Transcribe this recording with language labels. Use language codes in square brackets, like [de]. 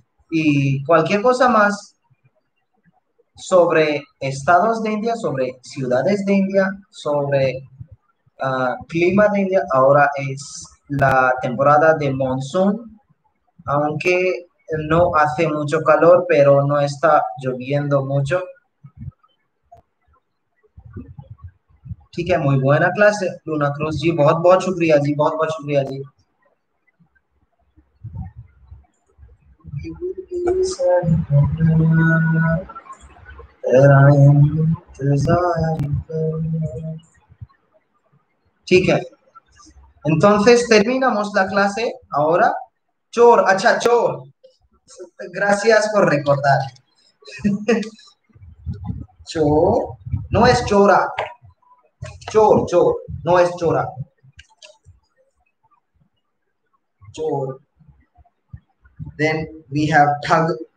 [es] Y cualquier cosa más sobre estados de India, sobre ciudades de India, sobre clima de India, ahora es la temporada de monsoon. Aunque No hace mucho calor, pero no está lloviendo mucho. [hi] ठीक है, [es] muy buena clase, [hi] Luna Cruz जी, बहुत बहुत शुक्रिया जी, बहुत बहुत शुक्रिया जी। [es] अच्छा चोर, gracias por recordar. Chor, no es chora. Chor, chor, no es chora. [en] Chor. Then we have thug.